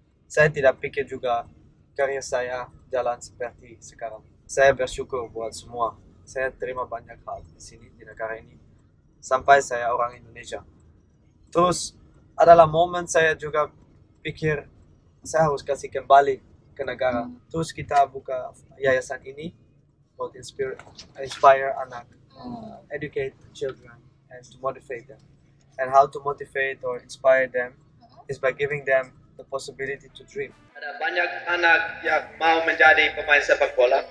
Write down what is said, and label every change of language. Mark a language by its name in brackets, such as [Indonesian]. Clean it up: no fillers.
[Indonesian] Saya tidak pikir juga karier saya jalan seperti sekarang. Saya bersyukur buat semua. Saya terima banyak hal di sini, di negara ini. Sampai saya orang Indonesia. Terus, adalah momen saya juga pikir, saya harus kasih kembali ke negara. Terus kita buka yayasan ini, buat [English] inspire [Indonesian] anak, [English] educate children, and to motivate them. And how to motivate or inspire them is by giving them the possibility to dream. [Indonesian] Ada banyak anak yang mau menjadi pemain sepak bola.